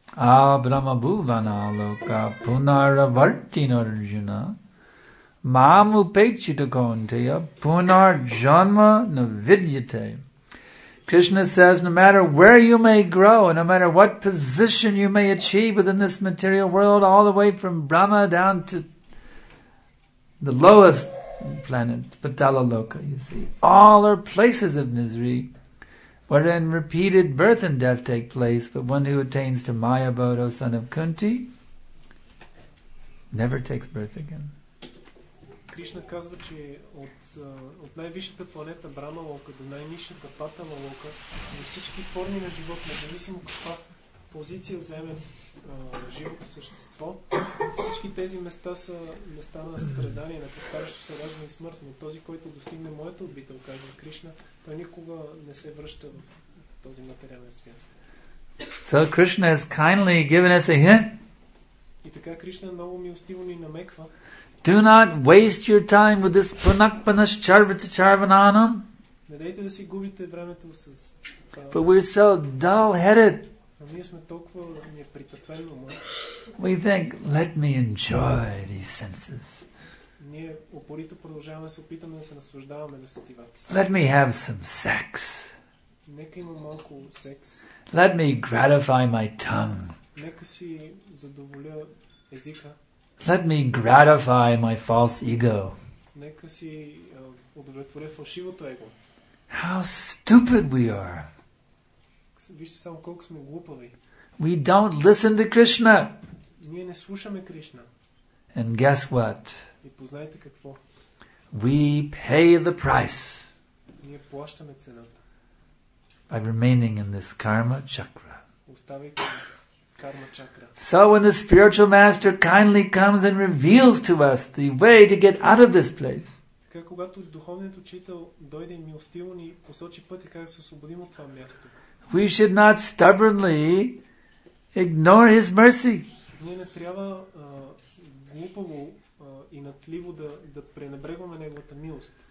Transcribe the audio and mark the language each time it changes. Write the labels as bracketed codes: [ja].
[sa] А Брама Бувана Лока Пунаравартин Арджуна Мам Упечита Контея Пунар Джанма Навидьяте. [en] Krishna says, no matter where you may grow, no matter what position you may achieve within this material world, all the way from Brahma down to the lowest planet, Patala Loka, you see, all are places of misery, wherein repeated birth and death take place, but one who attains to Maya Bodo, son of Kunti, never takes birth again. [bg] Кришна казва, че от най-висшата планета Брама Лока до най-нишата Патала Лока, до всички форми на живот, независимо каква позиция вземе живото същество, всички тези места са места на страдание, на повтарящо се раждане и смърт, но този, който достигне моята обител, казва Кришна, той никога не се връща в този материален свят. [en] So Krishna has kindly given us a hint. [bg] И така Кришна много милостиво ни намеква. [en] Do not waste your time with this [sa] punakpanash charvita charvananam. [bg] Недейте да си губите времето с... [en] But we're so dull-headed. [bg] Но ние сме толкова непритъпени ума. [en] We think, let me enjoy these senses. [bg] Ние упорито продължаваме да се опитаме да се наслаждаваме на сетивата. [en] Let me have some sex. [bg] Нека имам малко секс. [en] Let me gratify my tongue. [bg] Нека си задоволя езика. [en] Let me gratify my false ego. [bg] Нека си удовлетворя фалшивото его. [en] How stupid we are. [bg] Вижте само колко сме глупави. [en] We don't listen to Krishna. [bg] Ние не слушаме Кришна. [en] And guess what? [bg] И познайте какво? [en] We pay the price. [bg] Ние плащаме цената. [en] By remaining in this karma chakra. [bg] Оставайки карма чакра. [en] So when the spiritual master kindly comes and reveals to us the way to get out of this place. [bg] Така когато духовният учител дойде и милостиво ни посочи пътя как да се освободим от това място. [en] We should not stubbornly ignore his mercy. [bg] Ние не трябва глупаво и натливо да пренебрегваме неговата милост.